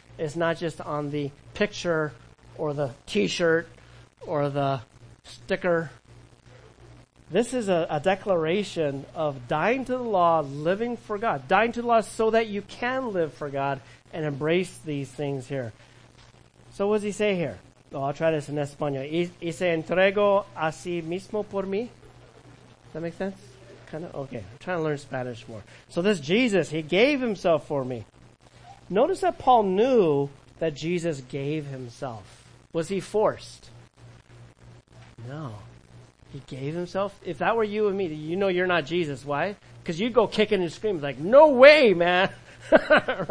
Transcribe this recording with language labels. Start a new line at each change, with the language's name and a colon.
English: It's not just on the picture or the t-shirt or the sticker. This is a declaration of dying to the law, living for God. Dying to the law so that you can live for God and embrace these things here. So what does he say here? Oh, I'll try this in Espanol.
Spanish: Y se entrego a sí mismo por mí.
English: Does that make sense? Okay, I'm trying to learn Spanish more. So this Jesus, he gave himself for me. Notice that Paul knew that Jesus gave himself. Was he forced? No. He gave himself. If that were you and me, you know you're not Jesus. Why? Because you'd go kicking and screaming like, no way, man. Right?